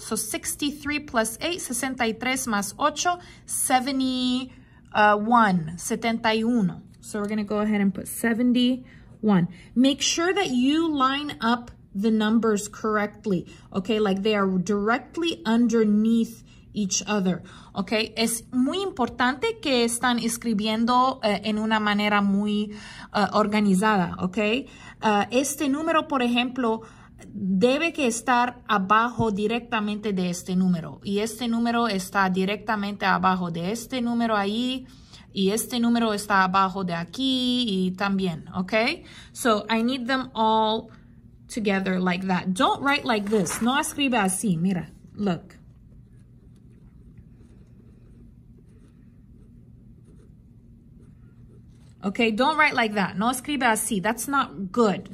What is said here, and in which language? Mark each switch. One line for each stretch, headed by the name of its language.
English: So 63 plus 8,
Spanish: 63 más 8,
English: 71. So we're going to go ahead and put 71. Make sure that you line up the numbers correctly. Okay, like they are directly underneath each other.
Spanish: Okay, es muy importante que están escribiendo en una manera muy organizada. Okay, este número, por ejemplo, debe que estar abajo directamente de este número. Y este número está directamente abajo de este número ahí. Y este número está abajo de aquí y también, okay?
English: So I need them all together like that. Don't write like this.
Spanish: No escribe así. Mira,
English: look. Okay, don't write like that.
Spanish: No escribe así.
English: That's not good.